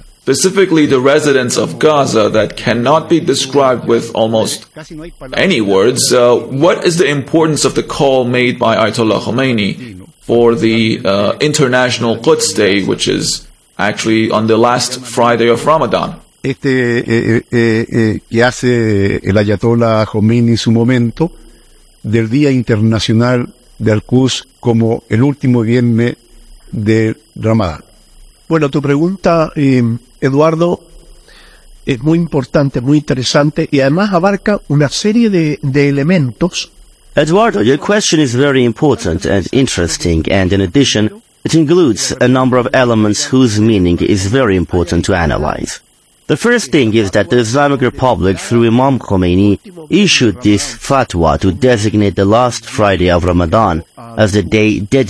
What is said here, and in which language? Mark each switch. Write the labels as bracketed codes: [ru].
[en] specifically the residents of Gaza, that cannot be described with almost any words. What is the importance of the call made by Ayatollah Khomeini for the International Quds Day, which is actually on the last Friday of Ramadan? [es] Que hace el Ayatollah Khomeini en su momento del Día Internacional de Al-Quds como el último viernes de Ramadán. Bueno, tu pregunta, Eduardo, es muy importante, muy interesante, y además abarca una serie de elementos. [en] Eduardo, your question is very important and interesting, and in addition, it includes a number of elements whose meaning is very important to analyze. The first thing is that the Islamic Republic, through Imam Khomeini, issued this fatwa to designate the last Friday of Ramadan as the day dedicated